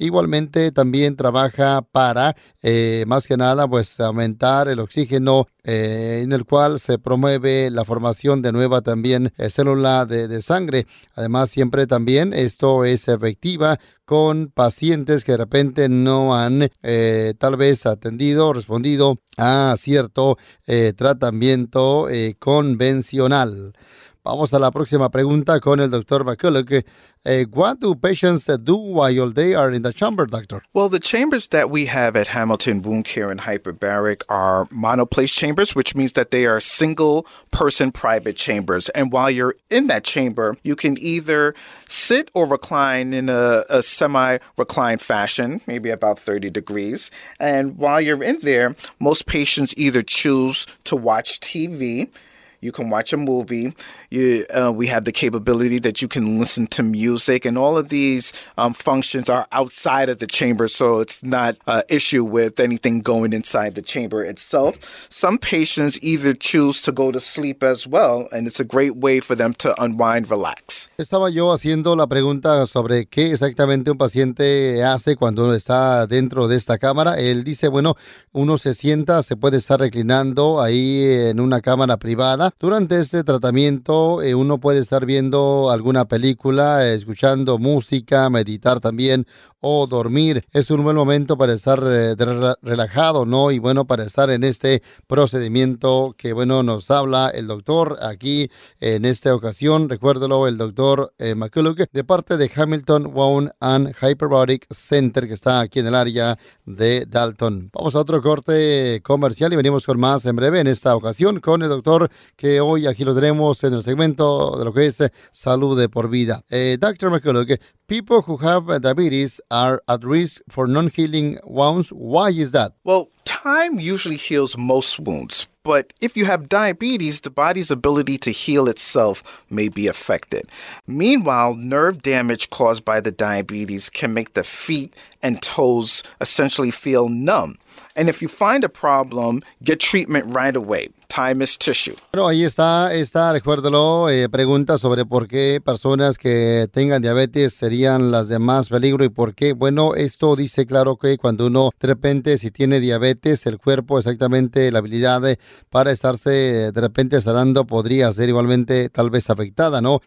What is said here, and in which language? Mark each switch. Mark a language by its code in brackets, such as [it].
[es] Igualmente también trabaja para, más que nada, pues aumentar el oxígeno en el cual se promueve la formación de nueva también célula de sangre. Además, siempre también esto es efectiva con pacientes que de repente no han tal vez atendido o respondido a cierto tratamiento convencional. Vamos a la próxima pregunta con el doctor McCulloch. [en] What do patients do while they are in the chamber, doctor? Well, the chambers that we have at Hamilton Wound Care and Hyperbaric are monoplace chambers, which means that they are single-person private chambers. And while you're in that chamber, you can either sit or recline in a semi-reclined fashion, maybe about 30 degrees. And while you're in there, most patients either choose to watch TV. You can watch a movie. We have the capability that you can listen to music, and all of these functions are outside of the chamber, so it's not an issue with anything going inside the chamber itself. Some patients either choose to go to sleep as well, and it's a great way for them to unwind, relax. [es] Estaba yo haciendo la pregunta sobre qué exactamente un paciente hace cuando uno está dentro de esta cámara. Él dice, bueno, uno se sienta, se puede estar reclinando ahí en una cámara privada. Durante este tratamiento, uno puede estar viendo alguna película, escuchando música, meditar también o dormir. Es un buen momento para estar relajado, ¿no? Y bueno, para estar en este procedimiento que, bueno, nos habla el doctor aquí en esta ocasión. Recuérdalo, el doctor McCulloch, de parte de Hamilton Wound and Hyperbaric Center, que está aquí en el área de Dalton. Vamos a otro corte comercial y venimos con más en breve en esta ocasión con el doctor, que hoy aquí lo tenemos en el segmento de lo que es Salud de por Vida. [en] Dr. McCulloch, people who have diabetes are at risk for non-healing wounds. Why is that? Well, time usually heals most wounds, but if you have diabetes, the body's ability to heal itself may be affected. Meanwhile, nerve damage caused by the diabetes can make the feet and toes essentially feel numb. And if you find a problem, get treatment right away. Time is tissue. [es] Bueno, ahí está, recuérdalo, pregunta sobre por qué personas que tengan diabetes serían las de más peligro y por qué. Bueno, esto dice claro que cuando uno de repente si tiene diabetes, el cuerpo exactamente la habilidad para estarse de repente sanando podría ser igualmente tal vez afectada, ¿no?